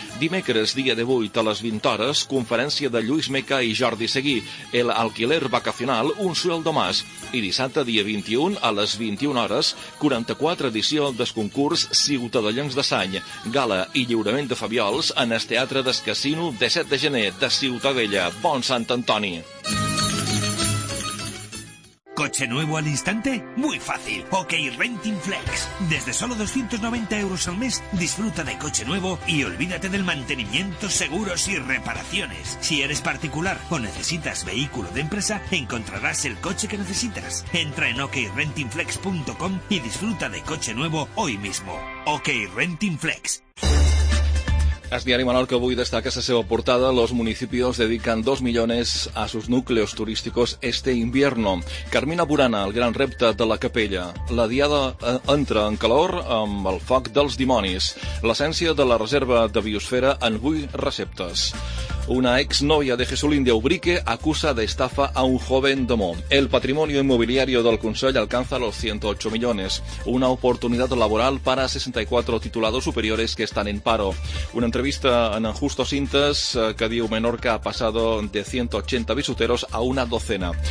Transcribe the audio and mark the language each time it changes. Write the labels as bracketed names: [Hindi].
[Catalan] Dimecres, dia 18, a les 20 hores, conferència de Lluís Meca i Jordi Seguí, [Spanish] el alquiler vacacional, un sueldo más. [Catalan] I dissabte, dia 21, a les 21 hores, 44 edició del concurs Ciutadellans de Sany, gala i lliurament de fabiols en el Teatre del Casino, 17 de gener, de Ciutadella. Bon Sant Antoni! [Spanish] ¿Coche nuevo al instante? Muy fácil. OK Renting Flex. Desde solo 290 euros al mes, disfruta de coche nuevo y olvídate del mantenimiento, seguros y reparaciones. Si eres particular o necesitas vehículo de empresa, encontrarás el coche que necesitas. Entra en okrentingflex.com y disfruta de coche nuevo hoy mismo. OK Renting Flex. [Catalan] El diari Menorca avui destaca la seva portada. [Spanish] Los municipios dedican 2 millones a sus núcleos turísticos este invierno. [Catalan] Carmina Burana, el gran repte de la capella. La diada entra en calor amb el foc dels dimonis. L'essència de la reserva de biosfera en 8 receptes. [Spanish] Una exnovia de Jesulín de Ubrique acusa de estafa a un joven domo. El patrimonio inmobiliario del Consell alcanza los 108 millones. Una oportunidad laboral para 64 titulados superiores que están en paro. Una entrevista en Justo Cintas [Catalan] que diu [Spanish] Menorca ha pasado de 180 bisuteros a una docena.